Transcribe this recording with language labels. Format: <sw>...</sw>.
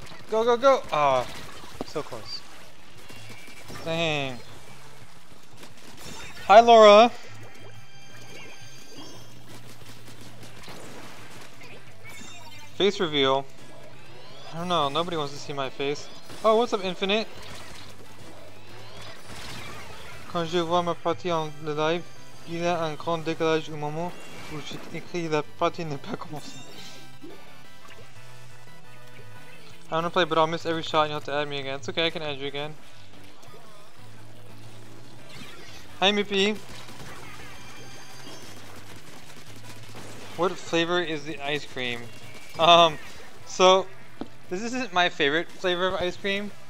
<en>Go, go, go! Ah, so close. Dang. Hi, Laura! Face reveal. I don't know, nobody wants to see my face. Oh, what's up, Infinite?</en> <fr>Quand je vois ma partie en live, il y a un grand décalage au moment où j'ai écrit la partie n'est pas commencée.</fr> <en>I wanna play, but I'll miss every shot and you'll have to add me again. It's okay, I can add you again. Hi, Mippy. What flavor is the ice cream? So this isn't my favorite flavor of ice cream.</en>